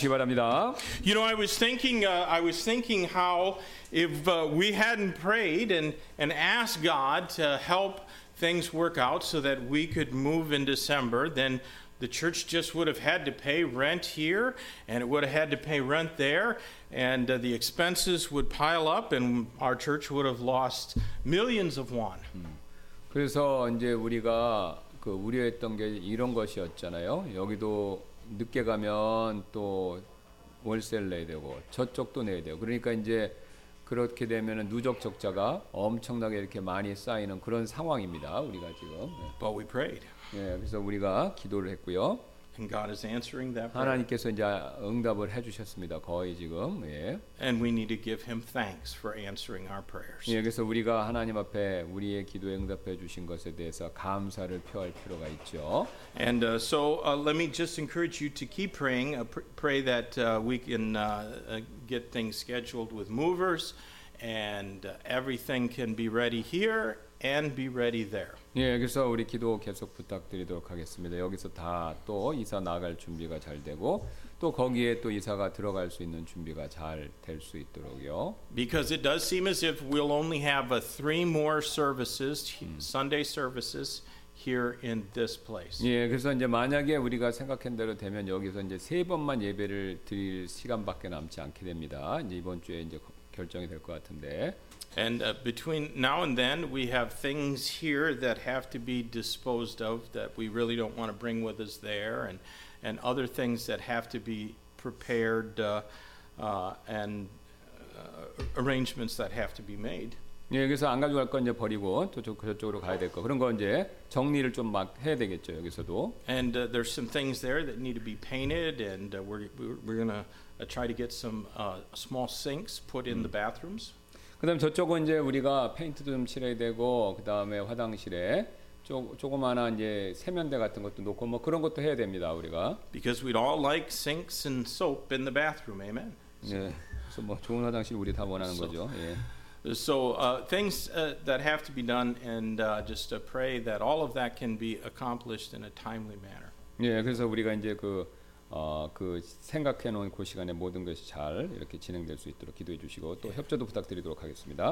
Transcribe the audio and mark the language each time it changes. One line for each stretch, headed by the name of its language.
English: You know, I was thinking how if we hadn't prayed and asked God to help things work out so that we could move in December, then the church just would have had to pay rent here, and it would have had to pay rent there, and the expenses would pile up, and our church would have lost millions of won.
Korean: 그래서 이제 우리가 그 우려했던 게 이런 것이었잖아요. 여기도 늦게 가면 또 월세를 내야 되고 저쪽도 내야 돼요. 그러니까 이제 그렇게 되면 누적 적자가 엄청나게 이렇게 많이 쌓이는 그런 상황입니다. 우리가 지금.
English: But we prayed.
Korean: 예, 그래서 우리가 기도를 했고요.
English: And God is answering that prayer.
Korean: 하나님께서 이제 응답을 해주셨습니다. 거의 지금. 예.
English: And we need to give Him thanks for answering our prayers.
Korean: 예, 그래서 우리가 하나님 앞에 우리의 기도에 응답해 주신 것에 대해서 감사를 표할 필요가 있죠.
English: And let me just encourage you to keep praying. Pray that we can get things scheduled with movers, and everything can be ready here and be ready there.
Korean: 예, 그래서 우리 기도 계속 부탁드리도록 하겠습니다. 여기서 다 또 이사 나갈 준비가 잘 되고 또 거기에 또 이사가 들어갈 수 있는 준비가 잘 될 수 있도록요.
English: Because it does seem as if we'll only have three more services, Sunday services here in this place.
Korean: 예, 그래서 이제 만약에 우리가 생각한 대로 되면 여기서 이제 세 번만 예배를 드릴 시간밖에 남지 않게 됩니다. 이제 이번 주에 이제 결정이 될 것 같은데.
English: And between now and then, we have things here that have to be disposed of that we really don't want to bring with us there, and other things that have to be prepared, arrangements that have to be made.
Korean: 예, 그래서 안 가져갈 건 이제 버리고 저쪽으로 가야 될 거 그런 거 이제 정리를 좀 막 해야 되겠죠 여기서도.
English: And there's some things there that need to be painted, and we're gonna try to get some small sinks put in the bathrooms.
Korean: 그다음 저쪽은 이제 우리가 페인트도 좀 칠해야 되고 그다음에 화장실에 조그마한 이제 세면대 같은 것도 놓고 뭐 그런 것도 해야 됩니다 우리가.
English: Because we'd all like sinks and soap in the bathroom, amen.
Korean: 네, 예, 그래서 뭐 좋은 화장실 우리 다 원하는 so, 거죠. 예.
English: So things that have to be done, and just pray that all of that can be accomplished in a timely manner.
Korean: 네, 예, 그래서 우리가 이제 그 생각해 놓은 그 시간에 모든 것이 잘 이렇게 진행될 수 있도록 기도해 주시고 또 협조도 부탁드리도록 하겠습니다.